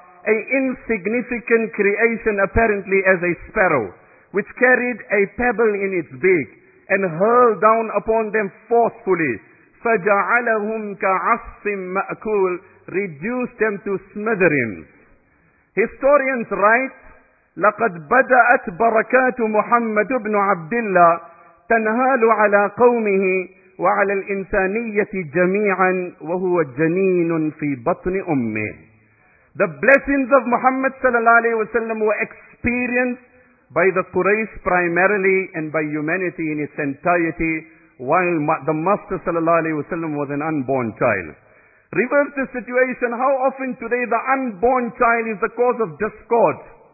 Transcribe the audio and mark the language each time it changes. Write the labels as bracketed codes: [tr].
[en] A insignificant creation apparently as a sparrow, which carried a pebble in its beak. And hurl down upon them forcefully. [ar] فَجَعَلَهُمْ كَعَصْفٍ مَأْكُولٍ. [en] Reduce them to smithereens. Historians write, [ar] لَقَدْ بَدَأَتْ بَرَكَاتُ مُحَمَّدُ بْنُ عَبْدِ اللَّهِ تَنْهَالُ عَلَىٰ قَوْمِهِ وَعَلَىٰ الْإِنسَانِيَّةِ جَمِيعًا وَهُوَ جَنِينٌ فِي بَطْنِ أُمِّهِ. [en] The blessings of Muhammad sallallahu alayhi wa sallam were experienced by the Quraysh primarily and by humanity in its entirety, while the Master sallallahu alayhi wa sallam was an unborn child. Reverse the situation. How often today the unborn child is the cause of discord?